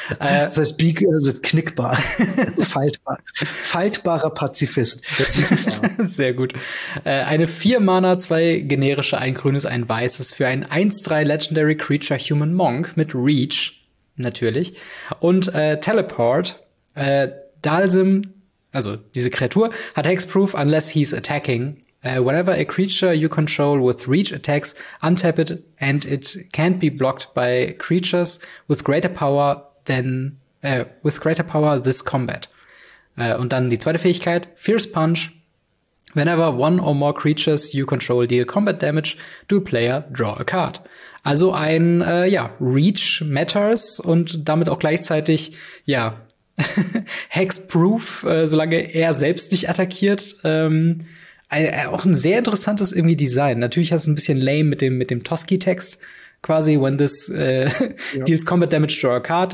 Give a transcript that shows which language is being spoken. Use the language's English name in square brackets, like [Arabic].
[German] Das heißt, also knickbar. Faltbar. Faltbarer Pazifist. Sehr gut. Eine 4-Mana, 2 generische, ein grünes, ein weißes für ein 1-3 Legendary Creature Human Monk mit Reach. Natürlich. Und Teleport. Dalsim, also diese Kreatur, hat Hexproof, [English] unless he's attacking. Whenever a creature you control with reach attacks, untap it and it can't be blocked by creatures with greater power than with greater power this combat. [German] Und dann die zweite Fähigkeit, Fierce Punch. [English] Whenever one or more creatures you control deal combat damage, do player draw a card. [German] Also ein Reach matters und damit auch gleichzeitig ja Hexproof, solange er selbst nicht attackiert. Auch ein sehr interessantes irgendwie Design. Natürlich hast du ein bisschen lame mit dem Toski-Text quasi, [English] when this deals combat damage draw a card.